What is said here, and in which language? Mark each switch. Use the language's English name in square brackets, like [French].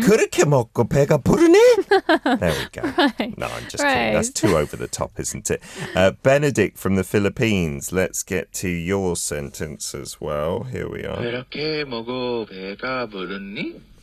[Korean] 그렇게 먹고 배가 부르네? [English] There we go. Right. No, I'm just kidding. That's too over the top, isn't it? Benedict from the Philippines, let's get to your sentence as well. Here we are. [Korean] 그렇게 먹고 배가 부르네?